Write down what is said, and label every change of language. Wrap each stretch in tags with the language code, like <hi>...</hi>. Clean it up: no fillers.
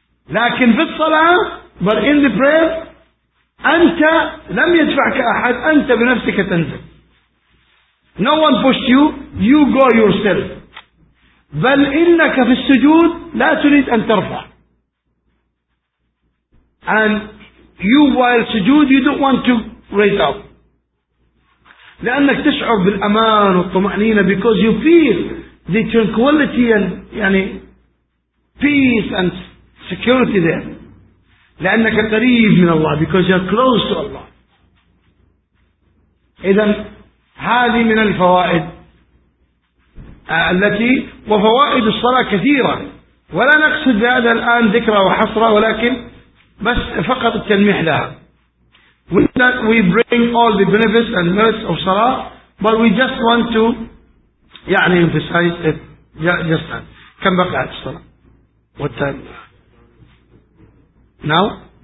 <ar>لكن في الصلاة,</ar> <en>but in the prayer,</en> <ar>أنت لم يدفعك أحد, أنت بنفسك تنزل.</ar> <en>No one pushed you, you go yourself.</en> <ar>بل إنك في السجود لا تريد أن ترفع.</ar> <en>And you while sujood, you don't want to raise up.</en> <ar>لأنك تشعر بالأمان والطمأنينة</ar> <en>because you feel the tranquility and يعني peace and security there.</en> <ar>لأنك قريب من الله</ar> <en>because you're close to Allah.</en> <ar>إذن هذه من الفوائد التي وفوائد الصلاة كثيرة ولا نقصد بهذا الآن ذكرى وحصرة، ولكن بس فقط التلميح لها.</ar> <en>We bring all the benefits and merits of Salah, but we just want to يعني emphasize it. Just that.</en> <ar>كم بقى على الصلاة؟</ar> <en>What time now?</en>